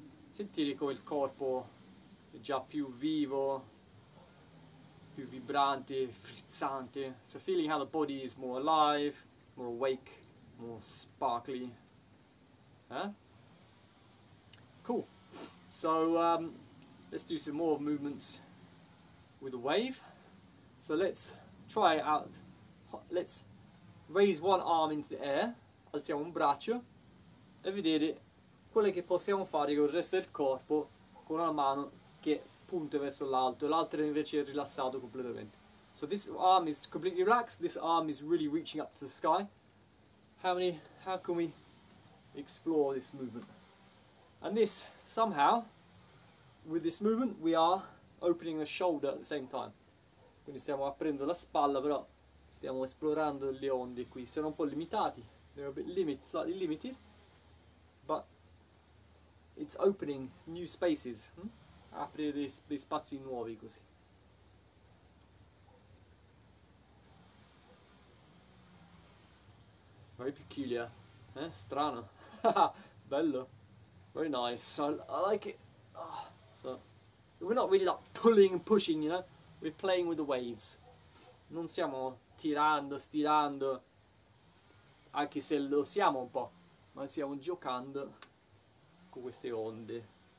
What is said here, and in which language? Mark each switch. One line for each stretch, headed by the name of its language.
Italian: Sentire come il corpo è già più vivo, più vibrante, frizzante.
English: So feeling how the body is more alive, more awake, more sparkly. Cool. So let's do some more movements with a wave. So let's try it out. Let's raise one arm into the air.
Italian: Alziamo un braccio e vedere quello che possiamo fare con il resto del corpo con una mano che punta verso l'alto, l'altra invece è rilassato completamente.
English: So this arm is completely relaxed, this arm is really reaching up to the sky. How can we explore this movement? And this, somehow, with this movement, we are opening the shoulder at the same time.
Italian: Quindi stiamo aprendo la spalla, però stiamo esplorando le onde qui. Sono un po' limitati,
English: they're a bit slightly limited, but it's opening new spaces.
Italian: Aprire dei spazi nuovi così.
English: Very peculiar,
Italian: strano. Bello.
English: Very nice. I like it. So we're not really like pulling and pushing, you know? We're playing with the waves.
Italian: Non stiamo tirando, stirando, anche se lo siamo un po', ma stiamo giocando con queste onde.